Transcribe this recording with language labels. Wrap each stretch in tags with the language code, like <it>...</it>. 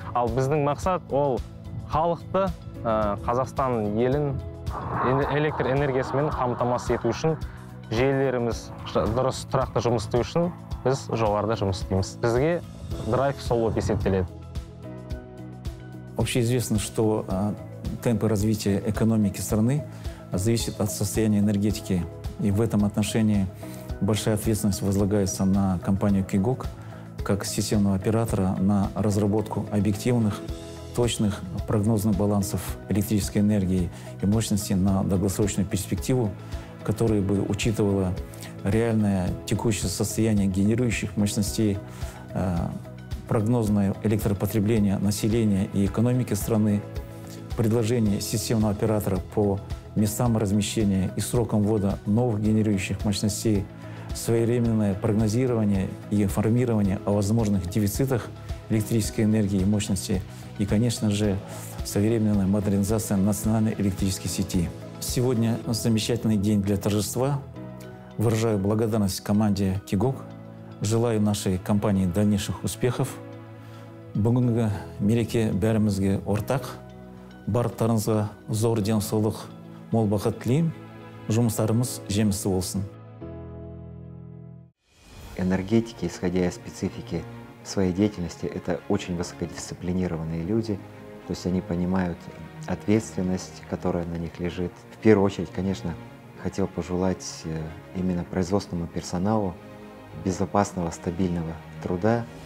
<kk>Ал біздің мақсат ол халықты, Қазақстан елін электр энергиясымен қамтамасыз ету үшін, желілеріміз дұрыс тұрақты жұмыс істеу үшін біз жоғарыда жұмыс істейміз. Бізге драйв сол болып есептеледі.</kk> <ru>Общеизвестно, что темпы развития экономики страны зависят от состояния энергетики. И в этом отношении большая ответственность возлагается на компанию «Кигок» как системного оператора на разработку объективных, точных прогнозных балансов электрической энергии и мощности на долгосрочную перспективу, которая бы учитывала реальное текущее состояние генерирующих мощностей, прогнозное электропотребление населения и экономики страны, предложение системного оператора по местам размещения и срокам ввода новых генерирующих мощностей, своевременное прогнозирование и информирование о возможных дефицитах электрической энергии и мощности и, конечно же, своевременная модернизация национальной электрической сети. Сегодня замечательный день для торжества. Выражаю благодарность команде «Кигок». Желаю нашей компании дальнейших успехов.</ru> <kk>Бүгінгі мереке бәрімізге ортақ. Барлықтарыңызға зор денсаулық, мол бақыт тілеймін. Жұмыстарымыз жемісті болсын.</kk> <ru>Энергетики, исходя из специфики своей деятельности, это очень высокодисциплинированные люди. То есть они понимают ответственность, которая на них лежит. В первую очередь, конечно, хотел пожелать именно производственному персоналу безопасного, стабильного труда.</ru>